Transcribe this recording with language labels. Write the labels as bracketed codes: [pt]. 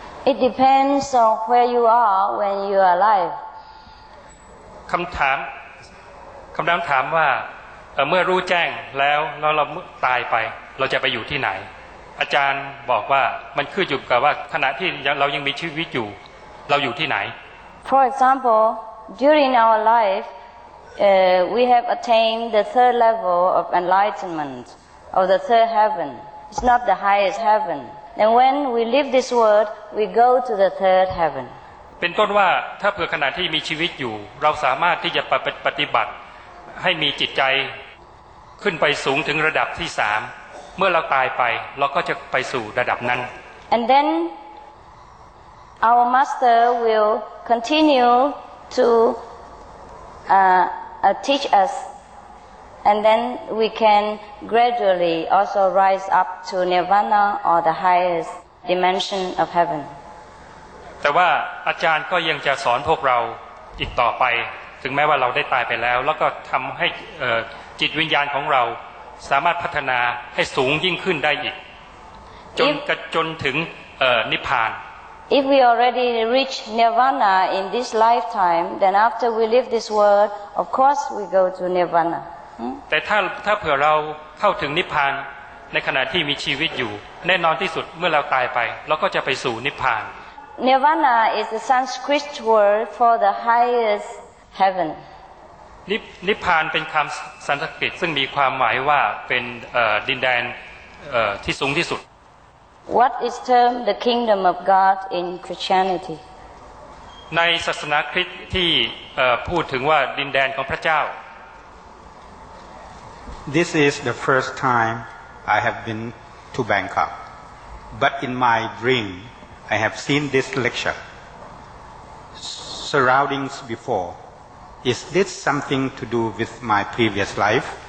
[en] It depends on where you are when you are alive [th] คำถามว่าเมื่อรู้แจ้งแล้วเราตายไปเราจะไปอยู่ที่ไหนอาจารย์บอกว่ามันขึ้นอยู่กับว่าขณะที่เรายังมีชีวิตอยู่เราอยู่ที่ไหน [en] For examplesDuring our life, we have attained the third level of enlightenment, of the third heaven. It's not the highest heaven. And when we leave this world, we go to the third heaven. [th] เป็นต้นว่าถ้าเผื่อขณะที่มีชีวิตอยู่เราสามารถที่จะปฏิบัติให้มีจิตใจขึ้นไปสูงถึงระดับที่สามเมื่อเราตายไปเราก็จะไปสู่ระดับนั้น [en] And then our master will continueto teach us and then we can gradually also rise up to nirvana or the highest dimension of heaven [th] แต่ว่าอาจารย์ก็ยังจะสอนพวกเราอีกต่อไปถึงแม้ว่าเราได้ตายไปแล้วแล้วก็ทำให้จิตวิญญาณของเราสามารถพัฒนาให้สูงยิ่งขึ้นได้อีกจนถึงนิพพาน [en] If we already reach nirvana in this lifetime, then after we leave this world, of course we go to nirvana. [th] แต่ถ้าเผื่อเราเข้าถึงนิพพานในขณะที่มีชีวิตอยู่แน่นอนที่สุดเมื่อเราตายไปเราก็จะไปสู่นิพพาน [en] Nirvana is the Sanskrit word for the highest heaven. [th] นิพพานเป็นคำสันสกฤตซึ่งมีความหมายว่าเป็นดินแดนที่สูงที่สุด [en] What is termed the kingdom of God in Christianity? [th] ในศาสนาคริสต์ที่พูดถึงว่าดินแดนของพระเจ้า [en] This is the first time I have been to Bangkok. But in my dream, I have seen this lecture. Surroundings before. Is this something to do with my previous life?